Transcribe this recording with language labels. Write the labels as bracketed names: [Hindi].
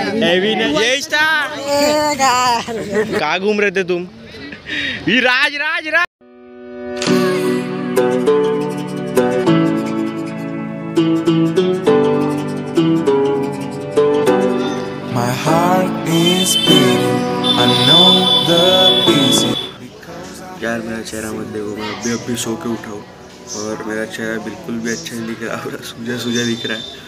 [Hindi] एवी ने। ये स्टार कहा घूम रहे थे तुम? राज राज राज [English] My heart is beating, I know the reason. [Hindi] यार मेरा चेहरा मत देखो, मैं अभी अभी सो के उठा हूँ और मेरा चेहरा बिल्कुल भी अच्छा नहीं दिख रहा, सूजा सूजा दिख रहा है।